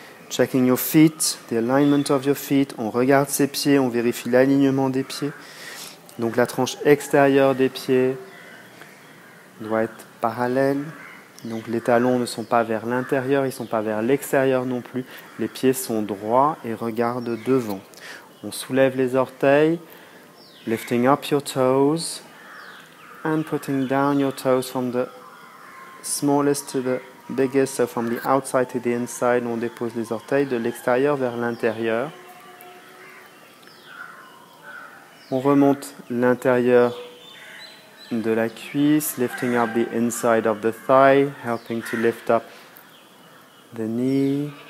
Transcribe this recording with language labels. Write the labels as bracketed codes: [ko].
[en] Checking your feet, the alignment of your feet. [fr] On regarde ses pieds, on vérifie l'alignement des pieds. Donc la tranche extérieure des pieds doit être parallèle Donc les talons ne sont pas vers l'intérieur, ils ne sont pas vers l'extérieur non plus. Les pieds sont droits et regardent devant. On soulève les orteils. [en] Lifting up your toes and putting down your toes from the smallest to the biggest, so from the outside to the inside. [fr] On dépose les orteils de l'extérieur vers l'intérieur. On remonte l'intérieur de la cuisse, [en] lifting up the inside of the thigh, helping to lift up the knee.